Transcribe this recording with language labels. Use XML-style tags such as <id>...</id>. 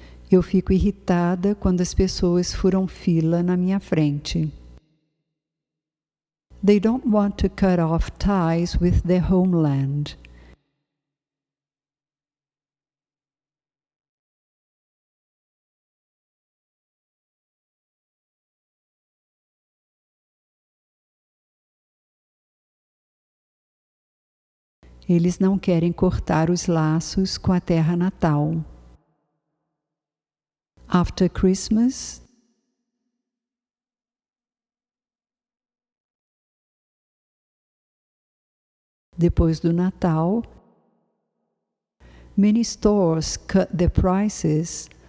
<pt>Eu fico irritada quando as pessoas furam fila na minha frente.</pt> <en>They don't want to cut off ties with their homeland.</en> <pt>Eles não querem cortar os laços com a terra natal.</pt> <en>After Christmas,</en> <pt>depois do Natal,</pt> <en>many stores cut their prices.</en>